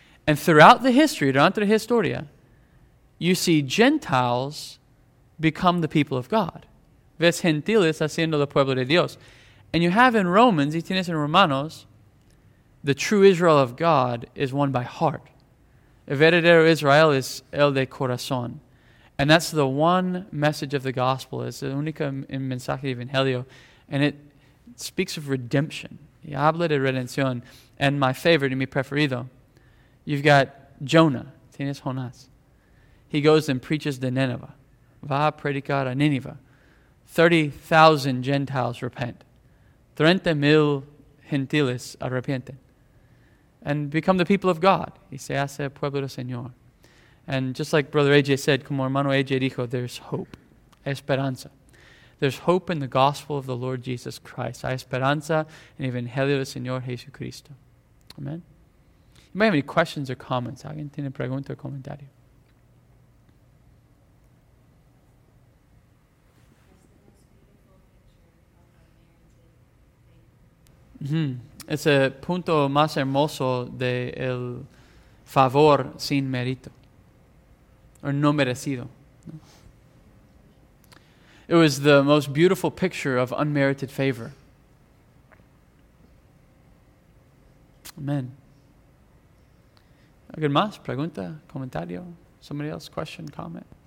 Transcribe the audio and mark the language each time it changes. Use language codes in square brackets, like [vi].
[en] And throughout the history, [es] durante la historia, [en] you see Gentiles become the people of God. [es] Ves gentiles haciendo el pueblo de Dios. [en] And you have in Romans, [es] y tienes en Romanos, [en] the true Israel of God is one by heart. [es] El verdadero Israel es el de corazón. [en] And that's the one message of the gospel. It's the [es] único mensaje de Evangelio. [en] And it speaks of redemption. [es] Y habla de redención. [en] And my favorite, [es] mi preferido, [en] you've got Jonah. [es] Tienes Jonás. [en] He goes and preaches to Nineveh. [es] Va a predicar a Nineveh. [en] 30,000 Gentiles repent. [es] 30,000 gentiles arrepienten. [en] And become the people of God. [es] Y se hace pueblo del Señor. [en] And just like Brother AJ said, [es] como hermano AJ dijo, [en] there's hope. [es] Esperanza. [en] There's hope in the gospel of the Lord Jesus Christ. [es] Hay esperanza en el Evangelio del Señor Jesucristo. [en] Amen. You might have any questions or comments. [es] ¿Alguien tiene pregunta o comentario? Mm-hmm. Es el punto más hermoso de el favor sin mérito. Or no merecido. [en] It was the most beautiful picture of unmerited favor. Amen. [es] ¿Alguien más? ¿Pregunta? ¿Comentario? [en] ¿Somebody else? ¿Question? ¿Comment?